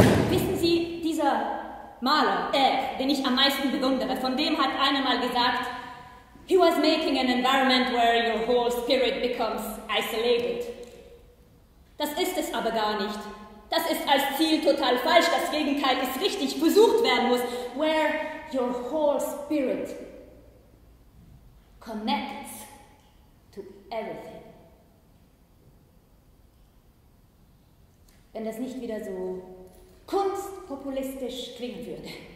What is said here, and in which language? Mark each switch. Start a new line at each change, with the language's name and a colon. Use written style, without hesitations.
German: Wissen Sie, dieser Maler, den ich am meisten bewundere, von dem hat einer mal gesagt,
English: he was making an environment where your whole spirit becomes isolated.
German: Das ist es aber gar nicht. Das ist als Ziel total falsch. Das Gegenteil ist richtig, versucht werden muss.
English: Where your whole spirit connects to everything.
German: Wenn das nicht wieder so kunstpopulistisch klingen würde.